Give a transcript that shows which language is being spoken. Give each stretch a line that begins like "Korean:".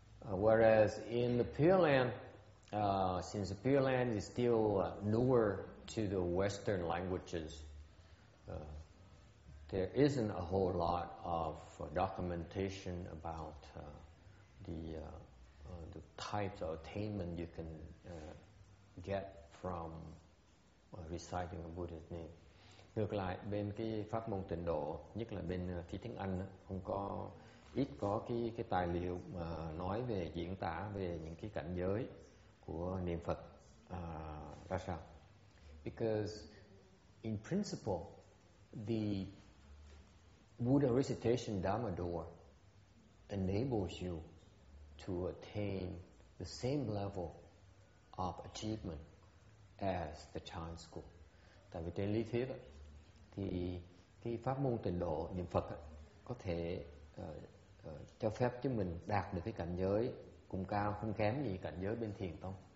English: Whereas in the Pure Land, since the Pure Land is still newer to the Western languages, there isn't a whole lot of documentation about the types of attainment you can get from reciting a Buddhist name.
Vietnamese: Ngược lại, bên cái pháp môn tịnh độ, nhất là bên thi tiếng Anh, không có ít có cái tài liệu mà nói về diễn tả về những cái cảnh giới của niệm Phật ra sao.
English: Because in principle, the Buddha recitation Dharma door enables you to attain the same level of achievement as the chan school.
Vietnamese: Tại vì trên lý thuyết thì cái pháp môn tịnh độ niệm Phật có thể cho phép chúng mình đạt được cái cảnh giới cũng cao không kém gì cảnh giới bên thiền tông.